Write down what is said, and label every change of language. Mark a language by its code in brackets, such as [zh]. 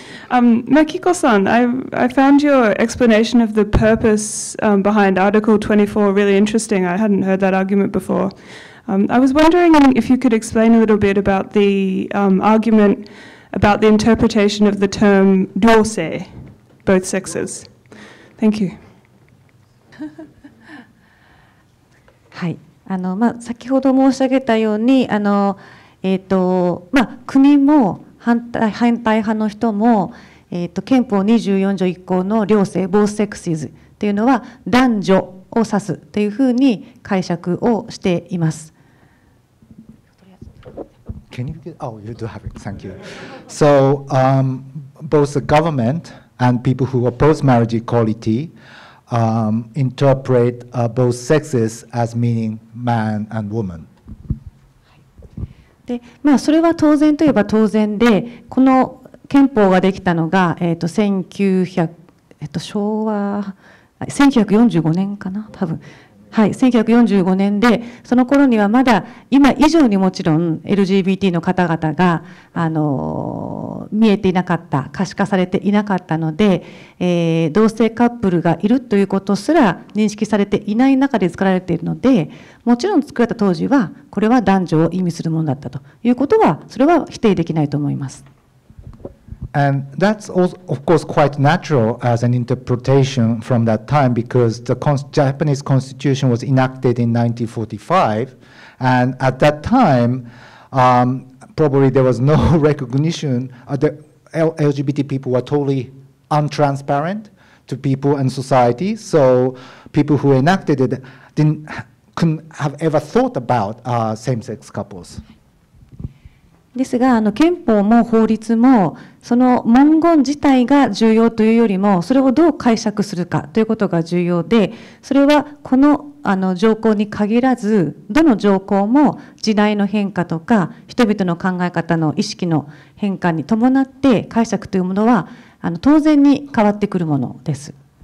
[en] Makiko-san, I found your explanation of the purpose behind Article 24 really interesting. I hadn't heard that argument before. I was wondering if you could explain a little bit about the argument about the interpretation of the term duose, both sexes. Thank you. Hi. [ja] まあ、先ほど申し上げたように、国も反対派の人も、 憲法 24条 1項の両性、ボーセクシーズというのは男女を指すというふうに解釈をしています。 [en] Can you get, oh, you do have it, thank you. So, both the government and people who oppose marriage equality interpret both sexes as meaning man and woman. [ja] で、まあ、それは当然といえば当然で、この 憲法ができたのが 昭和 1945年かな多分はい、1945年でその頃にはまだ今以上にもちろん LGBT の方々が見えていなかった、可視化されていなかったので、同性カップルがいるということすら認識されていない中で作られているので、もちろん作られた当時はこれは男女を意味するものだったということはそれは否定できないと思います。 [en] And that's also, of course, quite natural as an interpretation from that time, because the Japanese constitution was enacted in 1945. And at that time, probably there was no recognition that LGBT people were totally untransparent to people and society. So people who enacted it couldn't have ever thought about same-sex couples. [ja] ですが、憲法も法律もその文言自体が重要というよりも、それをどう解釈するかということが重要で、それはこの条項に限らず、どの条項も時代の変化とか人々の考え方の意識の変化に伴って解釈というものは当然に変わってくるものです。